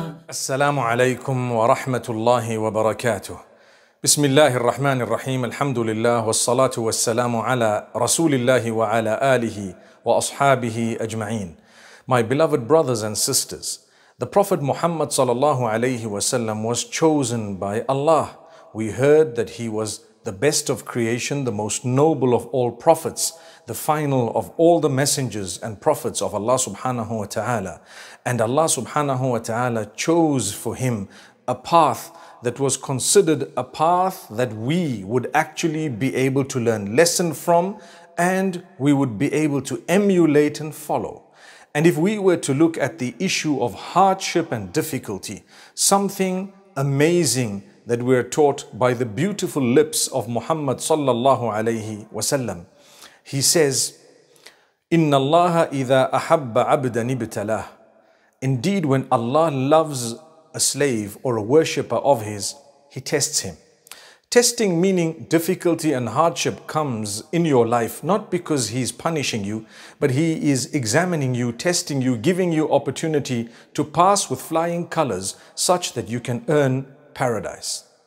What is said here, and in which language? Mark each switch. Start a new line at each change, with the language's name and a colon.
Arabic: السلام عليكم ورحمة الله وبركاته بسم الله الرحمن الرحيم الحمد لله والصلاة والسلام على رسول الله وعلى آله وأصحابه أجمعين.
English: My beloved brothers and sisters, the Prophet Muhammad sallallahu alayhi wasallam was chosen by Allah. We heard that he was the best of creation, the most noble of all prophets, the final of all the messengers and prophets of Allah subhanahu wa ta'ala. And Allah subhanahu wa ta'ala chose for him a path that was considered a path that we would actually be able to learn lesson from and we would be able to emulate and follow. And if we were to look at the issue of hardship and difficulty, something amazing that we are taught by the beautiful lips of Muhammad sallallahu alayhi wasallam. He says,
Arabic: إِنَّ اللَّهَ إِذَا أَحَبَّ عَبْدًا ابْتَلَاهُ.
English: Indeed, when Allah loves a slave or a worshipper of His, He tests him. Testing meaning difficulty and hardship comes in your life, not because He's punishing you, but He is examining you, testing you, giving you opportunity to pass with flying colors such that you can earn paradise.